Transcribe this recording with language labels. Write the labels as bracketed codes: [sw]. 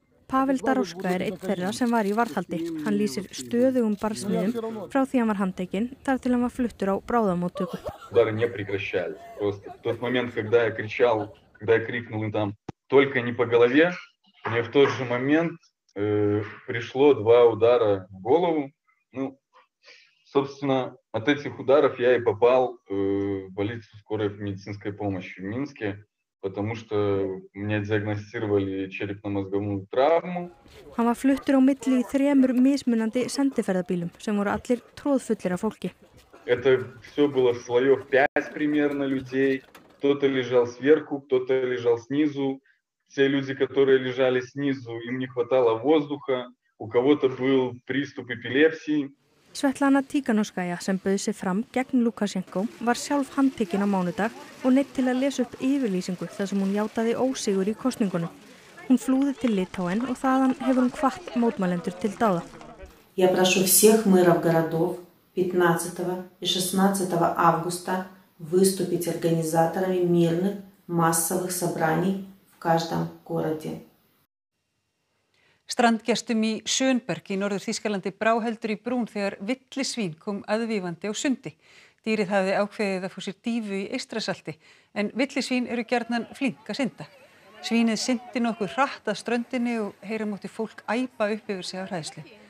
[is] Pavel Daroska er einn þeirra sem var í varðhaldi. Hann lýsir stöðugum barsmiðum frá því hann var handtekinn þar til hann var fluttur á bráðamóttöku. [ru] Собственно, от этих ударов я и попал в больницу скорой медицинской помощи в Минске. потому что мне диагностировали черепно-мозговую травму. [is] Hann var fluttur á milli í þremur mismunandi sendiferðabílum sem voru allir troðfullir af fólki. [ru] Это все было слоев 5 примерно людей. Кто-то лежал сверху, кто-то лежал снизу. Все люди, которые лежали снизу, им не хватало воздуха. У кого-то был приступ эпилепсии. [is] Светлана Тиганускайя, sem bauð sig fram gegn Lukashenko, var sjálf handtekin á mánudag og neitt til að lesa upp yfirlýsingu þar sem hún játaði ósigur í kosningunum. Hún flúði til Litáen og þaðan hefur hún hvatt mótmælendur til dáða. [ru] Я прошу всех мэров городов 15 и 16 августа выступить организаторами мирных массовых собраний в каждом городе. [is] Strandgestum í Schönberg í norður Þýskalandi brá heldur í brún þegar villisvín kom aðvífandi á sundi. Dýrið hafði ákveðið að fá sér dýfu í Eystrasalti, en villisvín eru gjarnan flink að synda. Svínið synti nokkuð hratt að ströndinni og heyra mátti fólk æpa upp yfir sig af hræðslu.